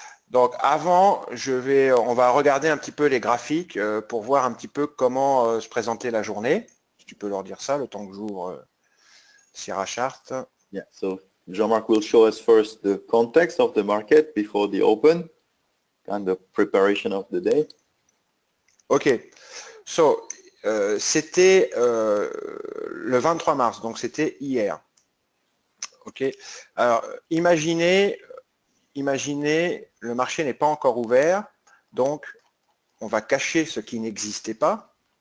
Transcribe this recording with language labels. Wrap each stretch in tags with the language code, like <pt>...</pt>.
<fr>Donc avant, on va regarder un petit peu les graphiques pour voir un petit peu comment se présenter la journée. Tu peux leur dire ça le temps que j'ouvre Sierra Chart.</fr> <en>Yeah, so Jean-Marc will show us first the context of the market before the open, kind of preparation of the day.</en> <fr>Ok, so c'était le 23 mars, donc c'était hier. Ok, alors imaginez, le marché n'est pas encore ouvert, donc on va cacher ce qui n'existait pas.</fr>